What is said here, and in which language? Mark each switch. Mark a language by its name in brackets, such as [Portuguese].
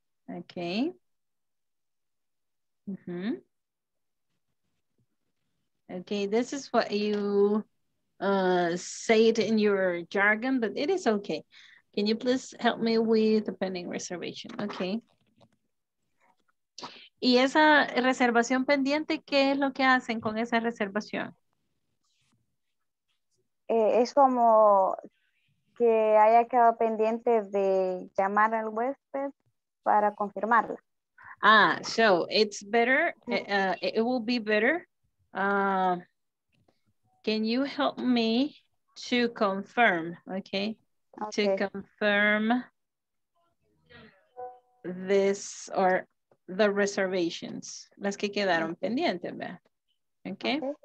[English] Okay. Okay, this is what you say it in your jargon, but it is okay. Can you please help me with the pending reservation? Okay. [Spanish] ¿Y esa reservación pendiente, qué es lo que hacen con esa reservación? Es como que haya quedado pendiente de llamar al huésped para confirmarla. [English] Ah, so it's better, it will be better. Can you help me to confirm, okay? To confirm this or the reservations, [Spanish] las que quedaron pendientes, ¿verdad? [English] Okay.